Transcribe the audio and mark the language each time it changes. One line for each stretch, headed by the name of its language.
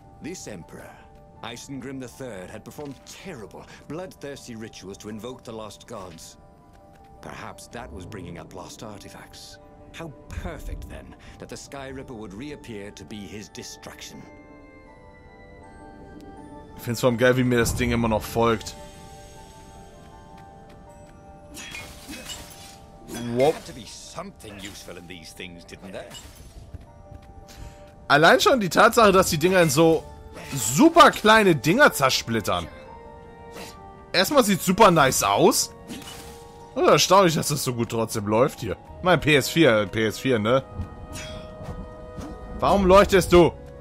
English: This Emperor, Isengrim III, had performed terrible, bloodthirsty rituals to invoke the lost gods. Perhaps that was bringing up lost artifacts. How perfect, then, that the Sky River would reappear to be his destruction.
German: Ich find's vor allem geil, wie mir das Ding immer noch folgt. Whoop.
English: There had to be something useful in these things, didn't there?
German: Allein schon die Tatsache, dass die Dinger in so super kleine Dinger zersplittern. Erstmal sieht super nice aus. Und erstaunlich, dass das so gut trotzdem läuft hier. Mein PS4, ne? Warum leuchtest du?